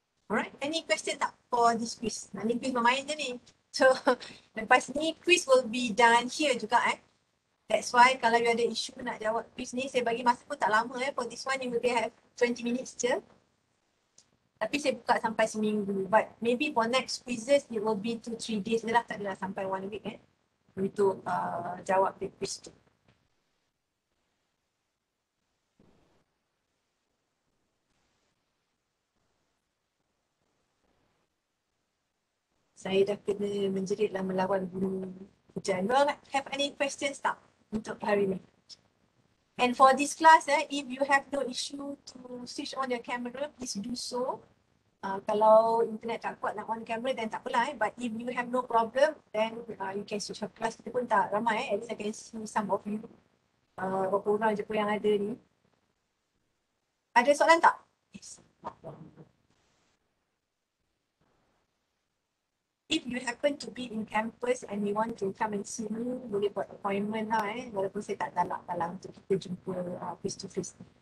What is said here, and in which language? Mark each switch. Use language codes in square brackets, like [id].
[en] Alright, any question [ms] tak [en] for this quiz? [ms] Nak ni quiz bermain je ni. [en] So, [ms] lepas ni [en] quiz will be done here [ms] juga eh. [en] That's why [ms] kalau [en] you [ms] ada isu nak jawab quiz ni, saya bagi masa pun tak lama eh. [en] For this one, you will have 20 minutes je. [ms] Tapi saya buka sampai seminggu. [en] But maybe for next quizzes, it will be 2-3 days [ms] je lah. Tak adalah sampai [en] 1 week [ms] eh. Untuk jawab [en] the quiz [ms] tu. Saya dah kena menjerit lah melawan bulu hujan. [en] Well, have any questions [ms] tak untuk hari ni? [en] And for this class, eh, if you have no issue to switch on your camera, please do so. [ms] Kalau internet tak kuat nak on camera, then tak apalah. [en] Eh. But if you have no problem, then you can switch off class. [ms] Kita pun tak ramai. [en] Eh. At least I can see some of you. [ms] Berapa orang je pun yang ada ni. Ada soalan tak? Yes. [en] If you happen to be in campus and you want to come and see me, [ms] boleh buat appointment lah eh. Walaupun saya tak dalam dalam untuk kita jumpa [en] face to face.